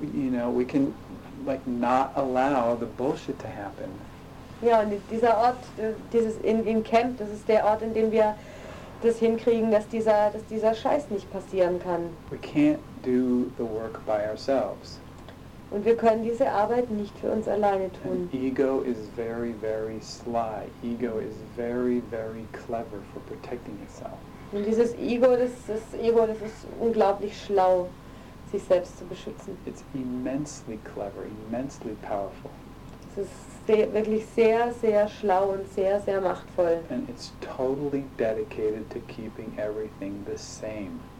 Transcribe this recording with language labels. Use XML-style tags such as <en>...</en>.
<en>We can not allow the bullshit to happen.</en> <de>Ja, und dieser Ort, dieses in Camp, das ist der Ort, in dem wir das hinkriegen, dass dieser Scheiß nicht passieren kann.</de> <en>We can't do the work by ourselves.</en> <de>Und wir können diese Arbeit nicht für uns alleine tun.</de> <en>And ego is very, very sly. Ego is very, very clever for protecting itself.</en> <de>Und dieses Ego, das ist unglaublich schlau, sich selbst zu beschützen.</de> <en>It's immensely clever, immensely powerful.</en> <de>Wirklich sehr, sehr schlau und sehr, sehr machtvoll.</de> <en>And it's totally dedicated to keeping everything the same.</en>